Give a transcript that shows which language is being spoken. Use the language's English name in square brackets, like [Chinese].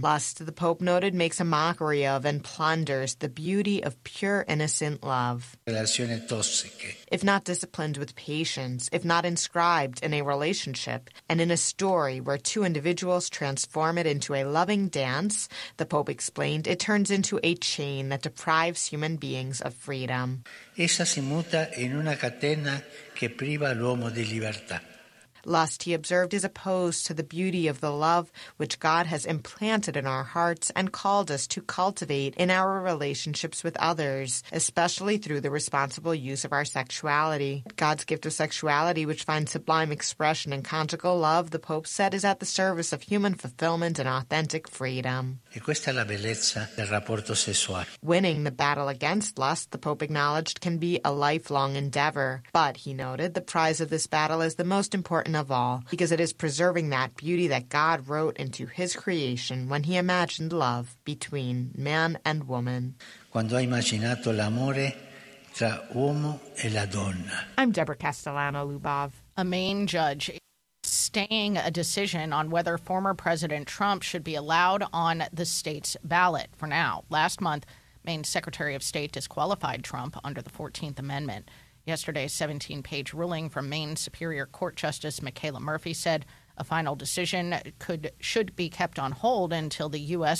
[English] Lust, the Pope noted, makes a mockery of and plunders the beauty of pure, innocent love. [Italian] Relazioni tossiche. [English] If not disciplined with patience, if not inscribed in a relationship, and in a story where two individuals transform it into a loving dance, the Pope explained, it turns into a chain that deprives human beings of freedom. [Italian] Essa si muta in una catena che priva l'uomo di libertà. [English] Lust, he observed, is opposed to the beauty of the love which God has implanted in our hearts and called us to cultivate in our relationships with others, especially through the responsible use of our sexuality. God's gift of sexuality, which finds sublime expression in conjugal love, the Pope said, is at the service of human fulfillment and authentic freedom. [Italian] E questa è la bellezza del rapporto sessuale. [English] Winning the battle against lust, the Pope acknowledged, can be a lifelong endeavor. But, he noted, the prize of this battle is the most important of all, because it is preserving that beauty that God wrote into his creation when he imagined love between man and woman. [Italian] Quando ha immaginato l'amore tra uomo e la donna. [English] I'm Deborah Castellano-Luboff. A Maine judge staying a decision on whether former President Trump should be allowed on the state's ballot for now. Last month, Maine's Secretary of State disqualified Trump under the 14th Amendment. Yesterday's 17-page ruling from Maine Superior Court Justice Michaela Murphy said a final decision should be kept on hold until the U.S.